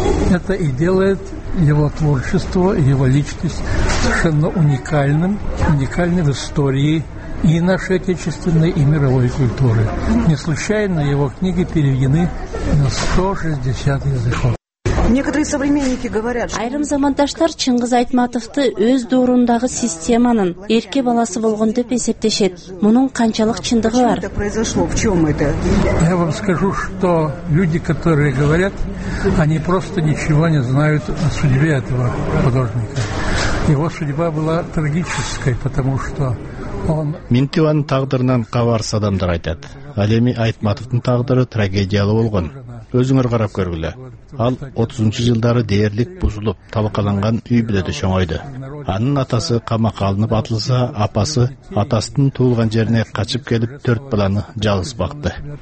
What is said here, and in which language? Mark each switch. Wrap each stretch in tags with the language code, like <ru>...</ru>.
<ru>Это и делает его творчество, его личность совершенно уникальным, уникальным в истории и нашей отечественной, и мировой культуры. Не случайно его книги переведены на 160 языков. Некоторые современники говорят, что</ru> <ky>айрым замандаштар Чыңгыз Айтматовду өз доорундагы системанын эрке баласы болгон деп эсептешет. Мунун канчалык чындыгы бар?</ky> <ru>Я вам скажу, что люди, которые говорят, они просто ничего не знают о судьбе этого художника. Его судьба была трагической, потому что он</ru> <ky>Минтиван тагдырынан кабарсыз адамдар айтат. Ал эми Айтматовдун тагдыры трагедиялуу болгон. Өзүңөр карап көргүлө. Ал 30-жу жылдары дээрлик бузулуп, талкаланган үй бүлөдө чоңойду. Анын атасы камакка алынып атылса, апасы атасынын туулган жерине качып келип, 4 баланы жалгыз бакты.</ky>